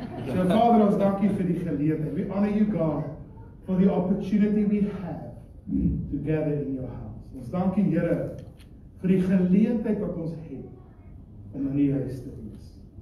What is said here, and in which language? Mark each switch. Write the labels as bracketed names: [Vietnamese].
[Afrikaans] So, Vader, ons dankie vir die geleerde. [English] We honor you, God, for the opportunity we have to gather in your house. [Afrikaans] Ons dankie, Here, vir die geleentheid wat ons het om in die huis te wees.